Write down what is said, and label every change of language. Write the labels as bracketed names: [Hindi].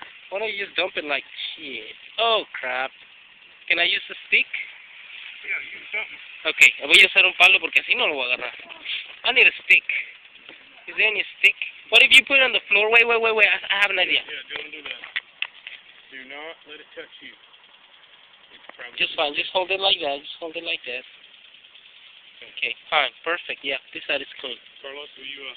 [English] Why don't you just dump it like shit? Oh crap. Can I use the stick? [Spanish] Ok, voy a usar un palo porque así no lo voy a agarrar. [English] I need a stick. Is there any stick? What if you put it on the floor? Wait, I have an idea. Yeah, don't do that. Do not let it touch you. Just fine, just hold it like that. Okay, fine, perfect, yeah, this side is clean. Carlos, will you